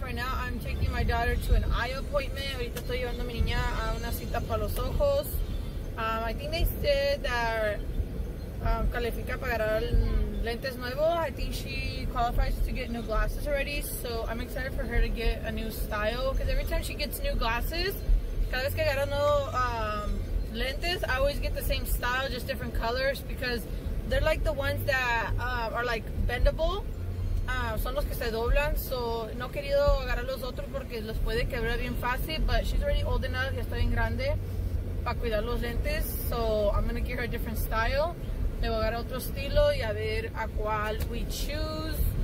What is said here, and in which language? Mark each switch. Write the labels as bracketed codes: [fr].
[en] Right now I'm taking my daughter to an eye appointment. [es] Ahorita estoy llevando a mi niña a una cita para los ojos. [en] I think they said that [es] califica para agarrar lentes nuevos. [en] I think she qualifies to get new glasses already. So I'm excited for her to get a new style. Because every time she gets new glasses, [es] cada vez que agarra nuevo lentes, [en] I always get the same style, just different colors. Because they're like the ones that are like bendable. [es] Son los que se doblan. So no he querido agarrar los otros porque los puede quebrar bien fácil. [en] But she's already old enough. [es] Ya está bien grande para cuidar los lentes. [en] So I'm going to give her a different style. [es] Le voy a agarrar otro estilo y a ver a cuál [en] we choose.